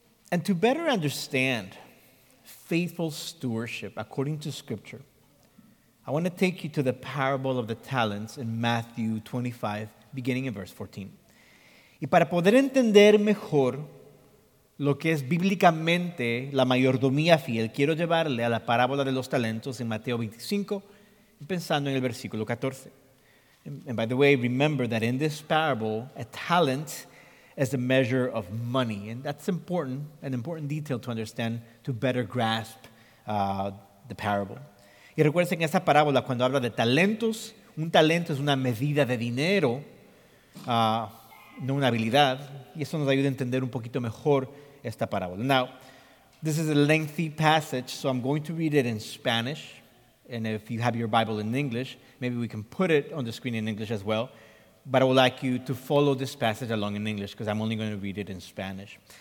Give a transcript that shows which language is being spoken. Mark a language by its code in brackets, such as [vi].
[en] And to better understand faithful stewardship according to Scripture, I want to take you to the parable of the talents in Matthew 25, beginning in verse 14. [es] Y para poder entender mejor lo que es bíblicamente la mayordomía fiel, quiero llevarle a la parábola de los talentos en Mateo 25, pensando en el versículo 14. [en] And by the way, remember that in this parable, a talent is the measure of money. And that's important, an important detail to understand, to better grasp the parable. [es] Y recuerden que esta parábola, cuando habla de talentos, un talento es una medida de dinero, no una habilidad. Y eso nos ayuda a entender un poquito mejor esta parábola. [en] Now, this is a lengthy passage, so I'm going to read it in Spanish. And if you have your Bible in English, maybe we can put it on the screen in English as well. But I would like you to follow this passage along in English, because I'm only going to read it in Spanish.